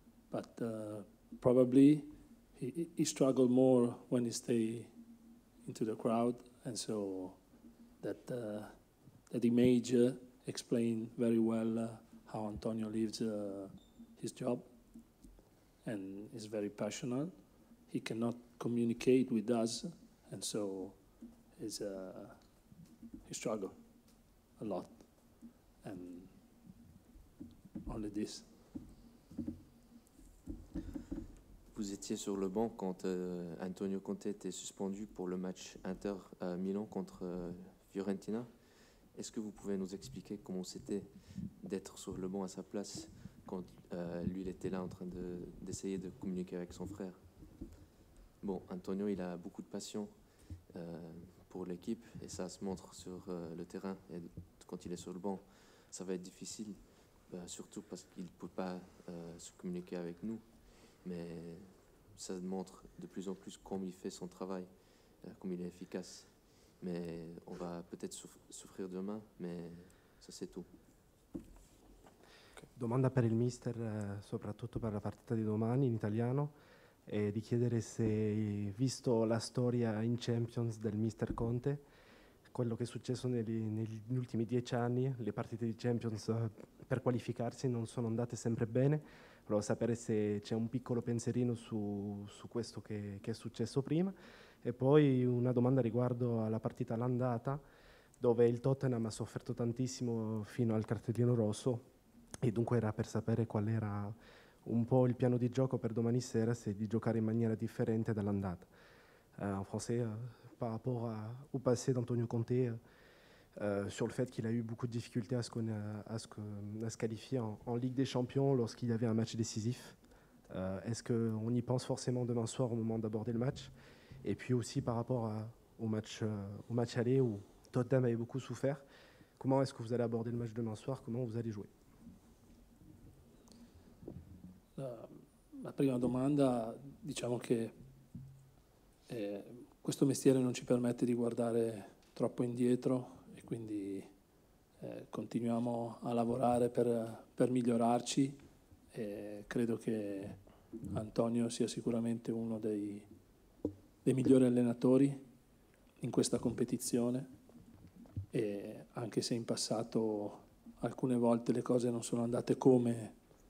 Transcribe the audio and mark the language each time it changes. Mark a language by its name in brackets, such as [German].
[English] But probably he struggled more when he stay into the crowd, and so that image explained very well how Antonio lives his job, and is very passionate. He cannot communicate with us, and so he struggled a lot, and only this. [French] Vous étiez sur le banc quand Antonio Conte était suspendu pour le match Inter Milan contre Fiorentina. Est-ce que vous pouvez nous expliquer comment c'était d'être sur le banc à sa place quand lui il était là en train d'essayer de communiquer avec son frère? Bon, Antonio, il a beaucoup de passion pour l'équipe, et ça se montre sur le terrain et quand il est sur le banc. Ça va être difficile, surtout parce qu'il ne peut pas se communiquer avec nous. Mais ça montre de plus en plus comment il fait son travail, comme il est efficace. mais on va peut-être souffrir demain, mais ça c'est tout. [Italian] Domanda per il mister, soprattutto per la partita di domani in italiano, e di chiedere se, visto la storia in Champions del mister Conte, quello che è successo negli ultimi 10 anni, le partite di Champions per qualificarsi non sono andate sempre bene, volevo sapere se c'è un piccolo pensierino su questo che è successo prima, e poi una domanda riguardo alla partita all'andata, dove il Tottenham ha sofferto tantissimo fino al cartellino rosso, e dunque era per sapere qual era un po' il piano di gioco per domani sera, se di giocare in maniera differente dall'andata. [French] En français, par rapport au passé d'Antonio Conte, sur le fait qu'il a eu beaucoup de difficultés à se qualifier en Ligue des Champions lorsqu'il y avait un match décisif. Est-ce qu'on y pense forcément demain soir au moment d'aborder le match? Et puis aussi par rapport au match aller où Tottenham avait beaucoup souffert, comment est-ce que vous allez aborder le match demain soir? Comment vous allez jouer? [Italian] La prima domanda, diciamo che questo mestiere non ci permette di guardare troppo indietro e quindi continuiamo a lavorare per migliorarci e credo che Antonio sia sicuramente uno dei migliori allenatori in questa competizione e anche se in passato alcune volte le cose non sono andate come